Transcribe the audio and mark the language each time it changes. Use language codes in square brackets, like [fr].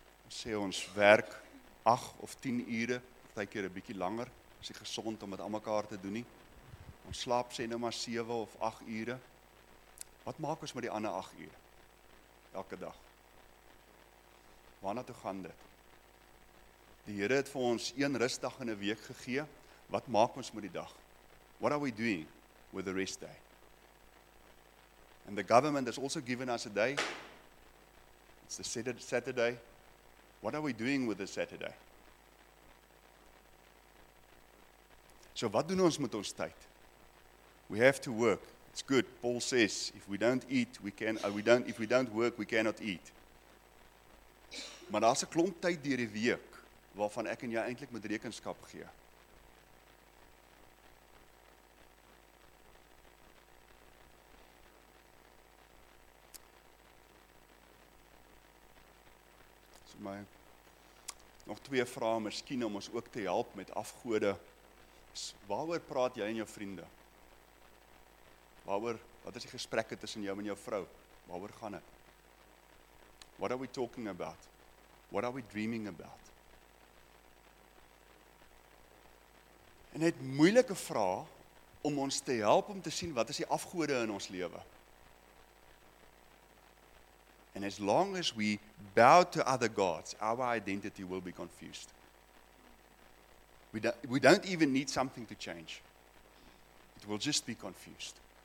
[af] Sê ons werk 8 of 10 ure, baie keer 'n bietjie langer, as jy gesond om dit almekaar te doen nie. Ons slaap sê nou maar 7 of 8 ure. Wat maak ons met die ander 8 ure? Elke dag. Waarna toe gaan dit? Die Here het vir ons een rustdag in 'n week gegee. Wat maak ons met die dag? [en] What are we doing with the rest day? And the government has also given us a day. It's the Saturday. What are we doing with the Saturday? [af] So wat doen ons met ons tyd? [en] We have to work. It's good. Paul says, if we don't eat, if we don't work, we cannot eat. [af] Maar daar's 'n klomp tyd deur die week waarvan ek en jy eintlik moet rekenskap gee. My nog twee vrae miskien om ons ook te help met afgode. Waaroor praat jy en jou vriende? Waaroor, wat is die gesprekke tussen jou en jou vrou? Waaroor gaan dit? [en] What are we talking about? What are we dreaming about? [af] En het moeilike vrae om ons te help om te sien wat is die afgode in ons lewe. [en] And as long as we bow to other gods, our identity will be confused. We don't even need something to change. It will just be confused.